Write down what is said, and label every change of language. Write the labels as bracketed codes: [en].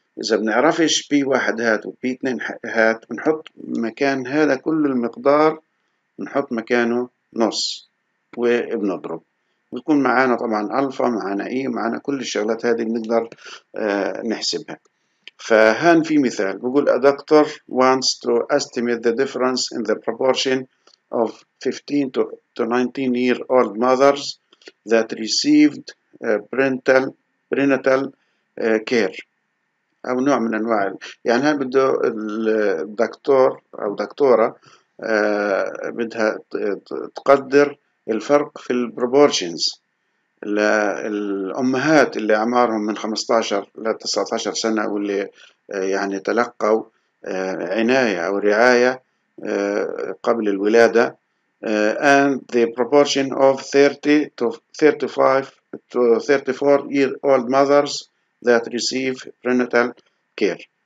[ar] إذا بنعرفش بي واحد هات وبي اثنين هات بنحط مكان هذا كل المقدار، نحط مكانه نص وبنضرب، بيكون معانا طبعا ألفا، معانا إيه، معانا كل الشغلات هذه بنقدر نحسبها. فهان في مثال بقول [en] a doctor wants to estimate the difference in the proportion of 15 to 19-year-old mothers that received prenatal care [ar] أو نوع من أنواع. يعني هان بده الدكتور أو دكتورة بدها تقدر الفرق في الـ proportions للأمهات اللي أعمارهم من 15 إلى 19 سنة واللي يعني تلقوا عناية أو رعاية قبل الولادة، [en] and the proportion of 30 to 35 to 34-year-old mothers that receive prenatal care.